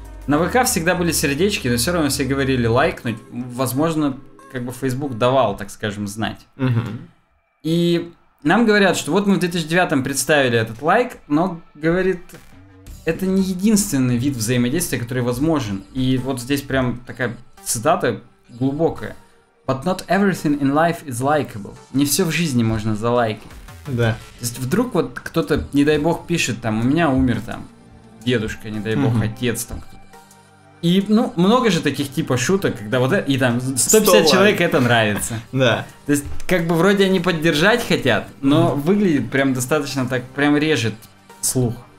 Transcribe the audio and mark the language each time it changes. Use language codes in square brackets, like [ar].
[ru] На ВК всегда были сердечки, но все равно все говорили лайкнуть. Возможно, как бы Facebook давал, так скажем, знать. Угу. И нам говорят, что вот мы в 2009-м представили этот лайк, но, говорит, это не единственный вид взаимодействия, который возможен. И вот здесь прям такая цитата глубокая. [en] But not everything in life is likable. [ru] Не все в жизни можно залайкать. Да. То есть вдруг вот кто-то, не дай бог, пишет там, у меня умер там дедушка, не дай бог, отец там кто-то. И, ну, много же таких типа шуток, когда вот это, и там 150 человек это нравится. Да. То есть как бы вроде они поддержать хотят, но выглядит прям достаточно так, прям режет слух.